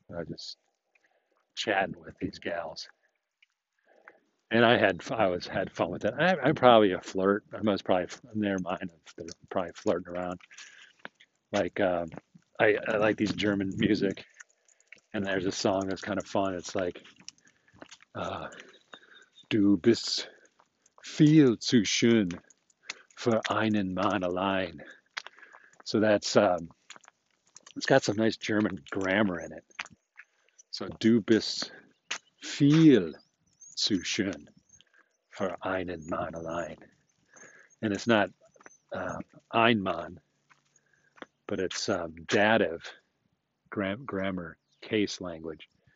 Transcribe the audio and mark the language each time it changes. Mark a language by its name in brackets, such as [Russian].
[English] I was just chatting with these gals. And I had fun with it. I'm probably a flirt. I was probably, in their mind, they're probably flirting around. Like, I like these German music, and there's a song that's kind of fun. It's like, [German] du bist viel zu schön für einen Mann allein. [English] So that's, it's got some nice German grammar in it. [German] So du bist viel zu schön für einen Mann allein. [English] And it's not [German] ein Mann, [English] but it's dative grammar case language.